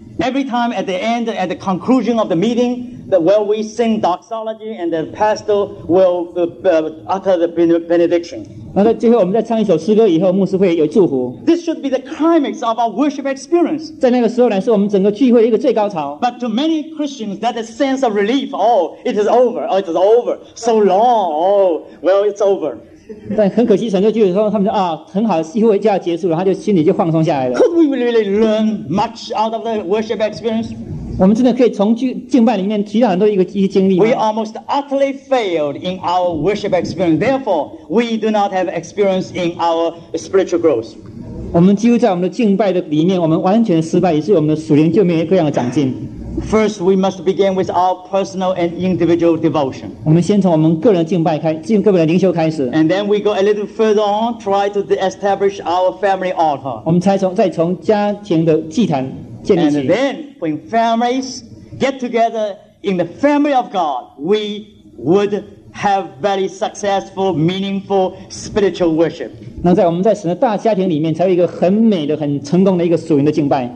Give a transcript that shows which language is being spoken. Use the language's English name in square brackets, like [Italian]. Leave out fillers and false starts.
[English] Every time at the end, at the conclusion of the meeting, that while we sing doxology and the pastor will utter the benediction. [Chinese] 然后最后我们再唱一首诗歌以后，牧师会有祝福。 [English] This should be the climax of our worship experience. [Chinese] 在那个时候呢，是我们整个聚会的一个最高潮。 [English] But to many Christians, that is a sense of relief. Oh, it is over. Oh, it is over. So long. Oh, well, it's over. [Chinese] 但很可惜，神就觉得说他们说啊，很好，机会就要结束了，他就心里就放松下来了。 [English] Could we really learn much out of the worship experience? [Chinese] 我们真的可以从敬拜里面提到很多一些经历吗 [English] ？We almost utterly failed in our worship experience. Therefore, we do not have experience in our spiritual growth. [Chinese] 我们几乎在我们的敬拜的里面，我们完全失败，以致我们的属灵就没有各样的长进。 [English] First, we must begin with our personal and individual devotion. [Chinese] 我们先从我们个人敬拜开，进个人的灵修开始。 [English] And then we go a little further on, try to establish our family altar. [Chinese] 我们再从家庭的祭坛建立起。 [English] And then, when families get together in the family of God, we would have very successful, meaningful spiritual worship. [Chinese] 那在我们在神的大家庭里面，才有一个很美的、很成功的一个属灵的敬拜。